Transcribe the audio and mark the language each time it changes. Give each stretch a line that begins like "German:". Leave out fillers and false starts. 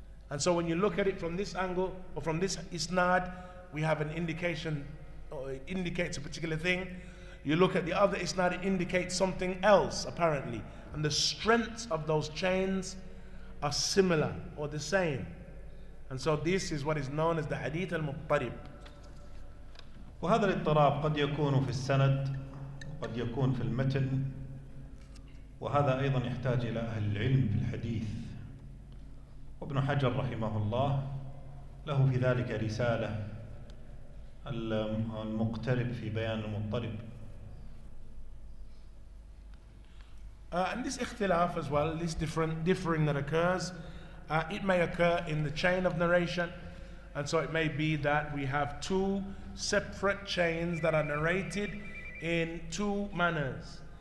English: And so when you look at it from this angle, or from this isnad, we have an indication, or it indicates a particular thing. You look at the other isnad, it indicates something else, apparently. And the strengths of those chains are similar, or the same. And so this is what is known as the hadith al-muttarib.
Arabic: وهذا الاضطراب قد يكون في السند، قد يكون في المتن، وهذا أيضا يحتاج إلى أهل العلم في الحديث. وابن حجر رحمه الله له في ذلك رسالة، المقترب في بيان المضطرب.
English: And this اختلاف as well, this differing that occurs, it may occur in the chain of narration. And so it may be that we have two separate chains that are narrated in two manners.